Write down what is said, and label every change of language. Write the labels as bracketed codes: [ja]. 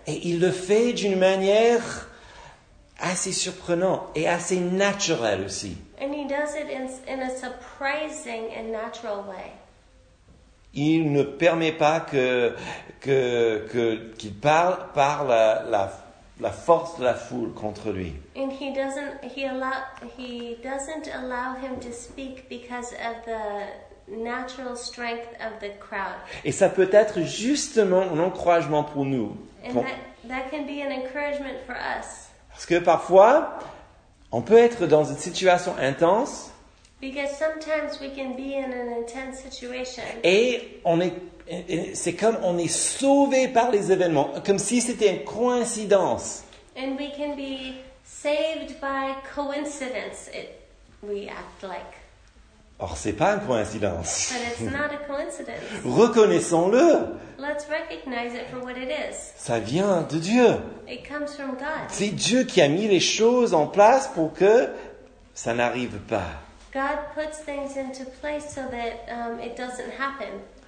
[fr] Et il le fait d'une manière assez surprenante et assez naturelle aussi. [en] And he does it in a surprising and natural way. [fr] Il ne permet pas qu'il parle la force de la foule contre lui. [en] And he doesn't allow him to speak because of the natural strength of the crowd. [fr] Et ça peut être justement un encouragement pour nous. [en] And that can be an encouragement for us. [fr] Parce que parfois, On peut être dans une situation intense. [en] Because sometimes we can be in an intense situation. [fr] Et on est, c'est comme on est sauvé par les événements, comme si c'était une coïncidence. [en] And we can be saved by coincidence. We act like. [fr] Or, c'est pas une coïncidence. [en] But it's not a coincidence. [fr] Reconnaissons-le. [en] Let's recognize it for what it is. [fr] Ça vient de Dieu. [en] It comes from God. [fr] C'est Dieu qui a mis les choses en place pour que ça n'arrive pas. [en] God puts things into place so that it doesn't happen.